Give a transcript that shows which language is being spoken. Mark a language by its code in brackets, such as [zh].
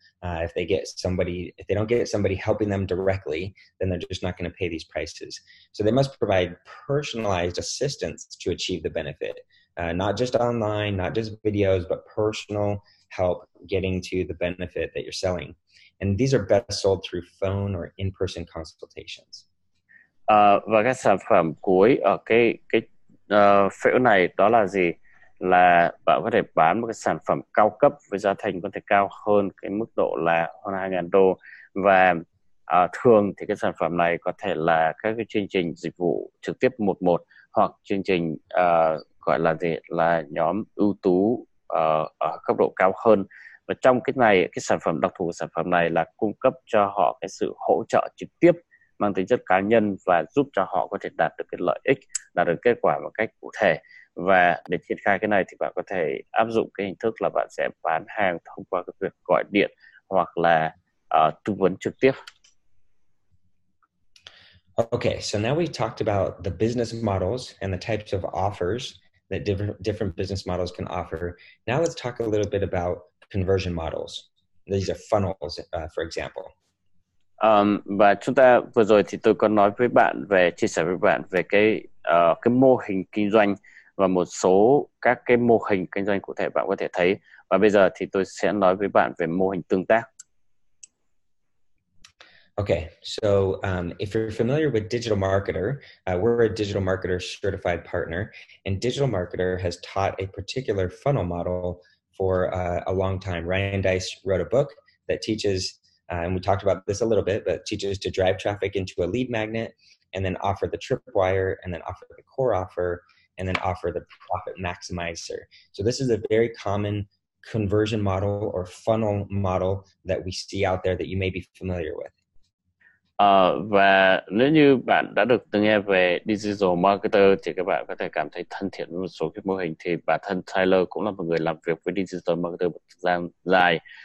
[en] If they don't get somebody helping them directly, then they're just not going to pay these prices. So they must provide personalized assistance to achieve the benefit. Not just online, not just videos, but personal help getting to the benefit that you're selling. And these are best sold through phone or in-person consultations. [vi] Và cái sản phẩm cuối ở cái phễu này đó là gì? Là bạn có thể bán một cái sản phẩm cao cấp với giá thành có thể cao hơn cái mức độ là hơn 2.000 đô. Và thường thì cái sản phẩm này có thể là các cái chương trình dịch vụ trực tiếp 1-1 hoặc chương trình gọi là gì? Là nhóm ưu tú ở cấp độ cao hơn. Và trong cái này, cái sản phẩm đặc thù của sản phẩm này là cung cấp cho họ cái sự hỗ trợ trực tiếp mang tính chất cá nhân và giúp cho họ có thể đạt được cái lợi ích, đạt được kết quả một cách cụ thể. Và để triển khai cái này thì bạn có thể áp dụng cái hình thức là bạn sẽ bán hàng thông qua cái việc gọi điện hoặc là tư vấn trực tiếp. [en] Okay, so now we've talked about the business models and the types of offers that different business models can offer. Now let's talk a little bit about conversion models. These are funnels, for example. [vi] Và chúng ta vừa rồi thì tôi có nói với bạn về chia sẻ với bạn về cái mô hình kinh doanh và một số các cái mô hình kinh doanh cụ thể bạn có thể thấy. Và bây giờ thì tôi sẽ nói với bạn về mô hình tương tác. [en] Okay, so if you're familiar with Digital Marketer, we're a Digital Marketer certified partner, and Digital Marketer has taught a particular funnel model for a long time. Ryan Dice wrote a book that teaches, and we talked about this a little bit, but teaches to drive traffic into a lead magnet, and then offer the tripwire, and then offer the core offer, and then offer the profit maximizer. So this is a very common conversion model or funnel model that we see out there that you may be familiar with. [vi] Và nếu như bạn đã được từng nghe về Digital Marketer thì các bạn có thể cảm thấy thân thiện với một số cái mô hình, thì bản thân Tyler cũng là một người làm việc với Digital Marketer một thời gian dài.